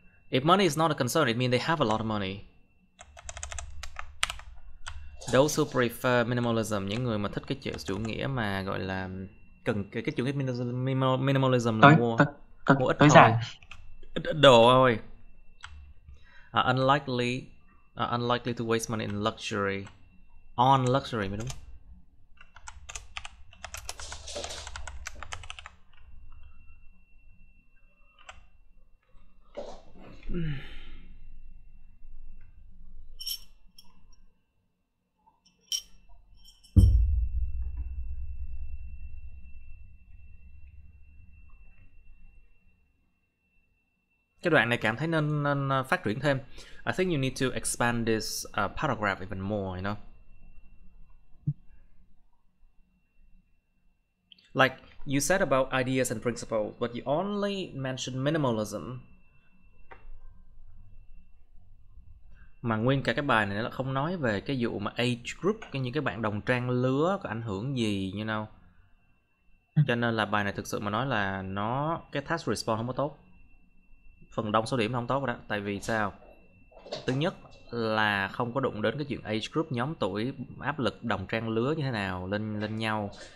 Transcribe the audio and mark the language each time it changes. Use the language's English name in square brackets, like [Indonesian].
[English] If money is not a concern, it means they have a lot of money. Those who prefer minimalism, [Vietnamese] những người mà thích cái chủ nghĩa mà gọi là cần cái chủ nghĩa minimalism là mua ít thôi. Đồ thôi. [English] Unlikely to waste money in luxury. On luxury [Vietnamese] mới đúng. Hãy cái đoạn này cảm thấy nên nên phát triển thêm. [English] I think you need to expand this paragraph even more, you know. Like you said about ideas and principles, but you only mentioned minimalism. [Vietnamese] Mà nguyên cả cái bài này nó không nói về cái vụ mà age group, cái những cái bạn đồng trang lứa có ảnh hưởng gì, [English] you know. [Vietnamese] Cho nên là bài này thực sự mà nói là nó cái task response không có tốt. Phần đông số điểm không tốt rồi đó. Tại vì sao? Thứ nhất là không có đụng đến cái chuyện age group, nhóm tuổi, áp lực đồng trang lứa như thế nào lên nhau.